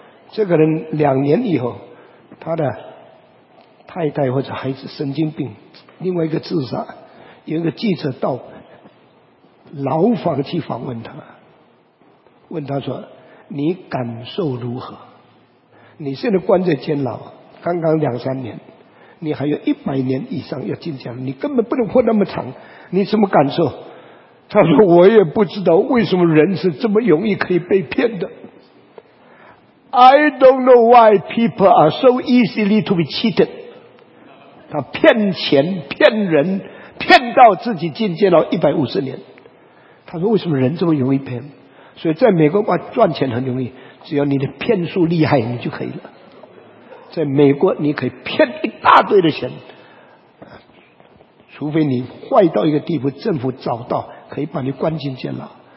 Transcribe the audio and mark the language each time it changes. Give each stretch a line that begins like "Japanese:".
Chinese: 这个人两年以后，他的太太或者孩子神经病，另外一个自杀，有一个记者到牢房去访问他，问他说：“你感受如何？你现在关在监牢，刚刚两三年，你还有100年以上要进监牢，你根本不能活那么长，你什么感受？” 他说：“我也不知道为什么人是这么容易可以被骗的。
English: I don't know why people are so easily to be cheated。”
Chinese: 他骗钱、骗人，骗到自己进监牢150年。他说：“为什么人这么容易骗？” 所以在美国赚钱很容易，只要你的骗术厉害，你就可以了。在美国，你可以骗一大堆的钱，除非你坏到一个地步，政府找到可以把你关进监牢。